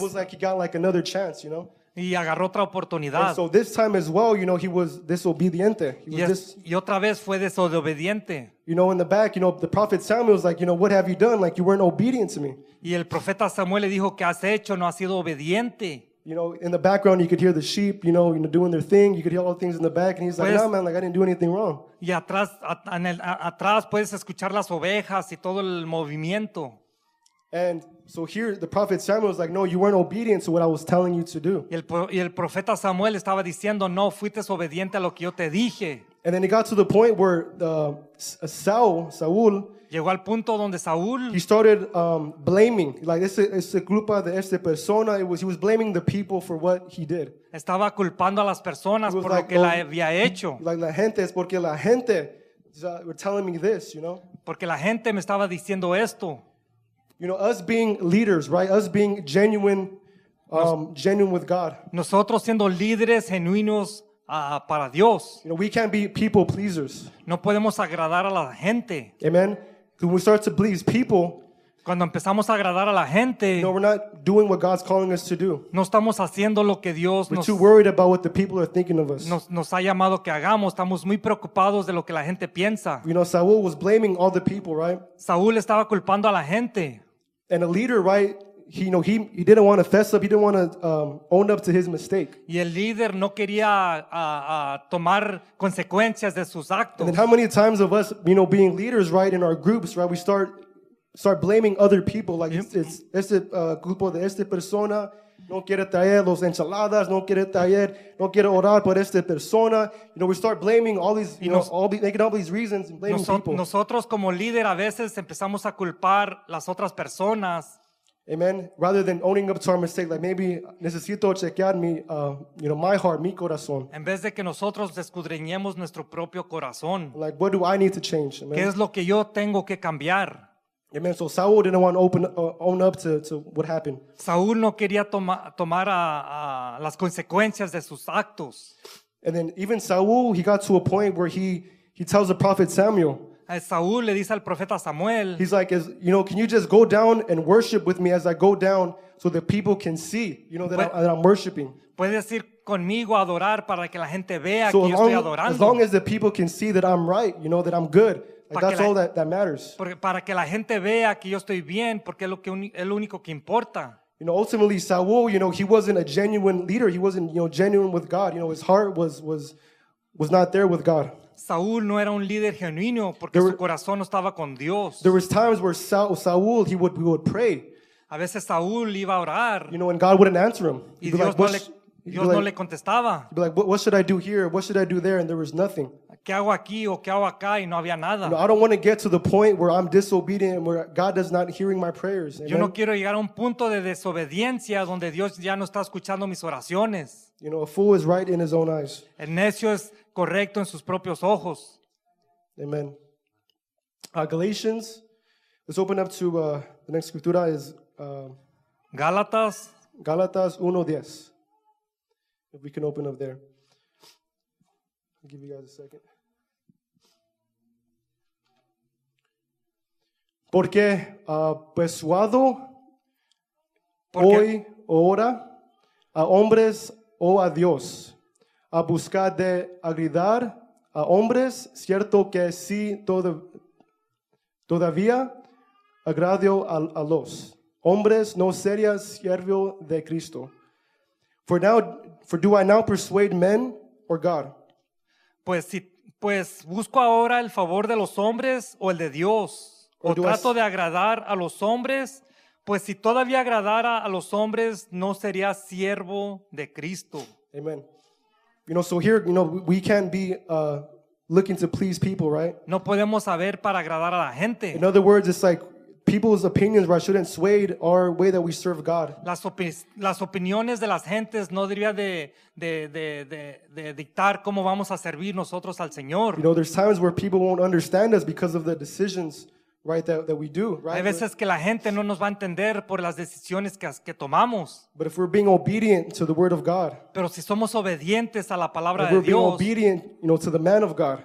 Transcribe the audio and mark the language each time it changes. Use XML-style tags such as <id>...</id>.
<en>it was like he got like another chance, you know.</en> <es>Y agarró otra oportunidad.</es> <en>And so this time as well, you know, he was disobediente. He was</en> <es>y otra vez fue desobediente.</es> <en>You know, in the back, you know, the prophet Samuel was like, you know, what have you done? Like, you weren't obedient to me.</en> <es>Y el profeta Samuel le dijo, ¿qué has hecho? No has sido obediente.</es> <en>You know, in the background, you could hear the sheep, you know, doing their thing. You could hear all things in the back. And he's like, no, man, like, I didn't do anything wrong.</en> <es>Y atrás, atrás puedes escuchar las ovejas y todo el movimiento.</es> <en>And so here, the prophet Samuel was like, no, you weren't obedient to what I was telling you to do.</en> <es>Y el profeta Samuel estaba diciendo, no, fuiste obediente a lo que yo te dije.</es> <en>And then it got to the point where Saul,</en> <es>llegó al punto donde Saúl,</es> <en>he started blaming, like,</en> <es>es culpa de esta persona.</es> <en>He was blaming the people for what he did.</en> <es>Estaba culpando a las personas por lo que la había hecho.</es> <en>Like,</en> <es>la gente, es porque la gente</es> <en>were telling me this, you know.</en> <es>Porque la gente me estaba diciendo esto.</es> <en>You know, us being leaders, right? Us being genuine, genuine with God.</en> <es>Nosotros siendo líderes genuinos para Dios.</es> <en>You know, we can't be people pleasers.</en> <es>No podemos agradar a la gente.</es> <en>Amen. When we start to please people,</en> <es>cuando empezamos a agradar a la gente,</es> <en>you know, we're not doing what God's calling us to do.</en> <es>No estamos haciendo lo que Dios</es> <en>we're too worried about what the people are thinking of us.</en> <es>Nos ha llamado que hagamos. Estamos muy preocupados de lo que la gente piensa.</es> <en>You know, Saul was blaming all the people, right?</en> <es>Saúl estaba culpando a la gente.</es> <en>And a leader, right? He, you know, he didn't want to fess up. He didn't want to own up to his mistake.</en> <es>Y el líder no quería tomar consecuencias de sus actos.</es> <en>And then how many times of us, you know, being leaders, right, in our groups, right, we start blaming other people. Like, it's</en> <es>este grupo de esta persona no quiere traer los enchiladas, no quiere orar por esta persona.</es> <en>You know, we start blaming all these, you know, all these, making all these reasons and blaming people.</en> <es>Nosotros como líder a veces empezamos a culpar las otras personas.</es> <en>Amen. Rather than owning up to our mistake, like maybe</en> <es>necesito chequear mi,</es> <en>you know, my heart,</en> <es>mi corazón. En vez de que nosotros descudriñemos nuestro propio corazón.</es> <en>Like, what do I need to change?</en> <es>Amen. ¿Qué es lo que yo tengo que cambiar? Amen.</es> <en>So Saul didn't want to own up to what happened.</en> <es>Saul no quería tomar las consecuencias de sus actos.</es> <en>And then even Saul, he got to a point where he tells the prophet Samuel.</en> <es>Saúl le dice al profeta Samuel.</es> <en>He's like, you know, can you just go down and worship with me as I go down so the people can see, you know, that I'm worshiping.</en> <es>Puedes ir conmigo a adorar para que la gente vea que yo estoy adorando.</es> <en>As long as the people can see that I'm right, you know, that I'm good. Like, that's all that matters.</en> <es>Para que la gente vea que yo estoy bien, porque es lo único que importa.</es> <en>You know, ultimately, Saúl, you know, he wasn't a genuine leader. He wasn't, you know, genuine with God. You know, his heart was not there with God.</en> <es>Saúl no era un líder genuino porque su corazón no estaba con Dios.</es> <en>There were times where Saúl, he would pray.</en> <es>A veces Saúl iba a orar.</es> <en>You know, and God wouldn't answer him.</en> <es>Y Dios no le contestaba.</es> <en>He'd be like, what should I do here? What should I do there? And there was nothing.</en> <es>¿Qué hago aquí o qué hago acá? Y no había nada.</es> <en>You know, I don't want to get to the point where I'm disobedient and where God is not hearing my prayers.</en> <es>Yo no quiero llegar a un punto de desobediencia donde Dios ya no está escuchando mis oraciones.</es> <en>You know, a fool is right in his own eyes.</en> <es>El necio es correcto en sus propios ojos.</es> <en>Amen. Galatians. Let's open up to the next scriptura is</en> <es>Galatas.</es> <en>Galatas 1:10. If we can open up there. I'll give you guys a second.</en> <es>Porque persuado hoy o ahora a hombres o a Dios. A buscar de agradar a hombres, cierto que sí todavía agradio a los hombres, no sería siervo de Cristo.</es> <en>For do I now persuade men or God?</en> <es>Pues busco ahora el favor de los hombres o el de Dios, o trato de agradar a los hombres. Pues si todavía agradara a los hombres, no sería siervo de Cristo. Amen.</es> <en>You know, so here, you know, we can't be looking to please people, right?</en> <es>No podemos saber para agradar a la gente.</es> <en>In other words, it's like people's opinions, right, shouldn't sway our way that we serve God.</en> <es>Las opiniones de las gentes no debería de dictar cómo vamos a servir nosotros al Señor.</es> <en>You know, there's times where people won't understand us because of the decisions, right, that we do, right?</en> <es>Hay veces que la gente no nos va a entender por las decisiones que tomamos.</es> <en>But if we're being obedient to the word of God.</en> <es>Pero si somos obedientes a la palabra de</es> <en>We're being obedient, you know, to the man of God.</en>